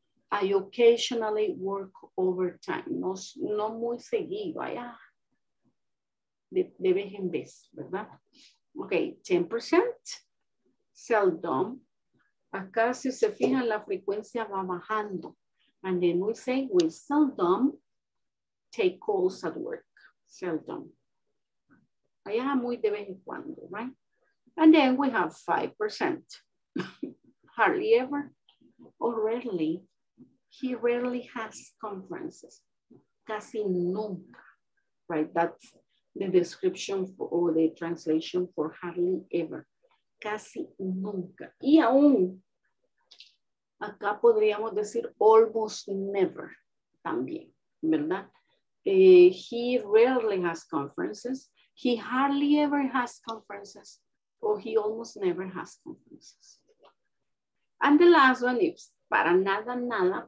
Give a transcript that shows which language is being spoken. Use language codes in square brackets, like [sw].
[en] I occasionally work overtime. [es] No, no muy seguido, allá. De vez en vez, ¿verdad? Ok, 10%, seldom. Acá, si se fijan, la frecuencia va bajando. [en] And then we say, we seldom take calls at work. [es] Seldom. Allá muy de vez en cuando, [en] right? And then we have 5%. Hardly ever or rarely. He rarely has conferences. [es] Casi nunca, right? [en] That's the description for, or the translation for hardly ever. [es] Casi nunca. Y aún, acá podríamos decir almost never también, ¿verdad? [en] He rarely has conferences. He hardly ever has conferences. Or he almost never has conferences. And the last one is, [es] para nada, nada.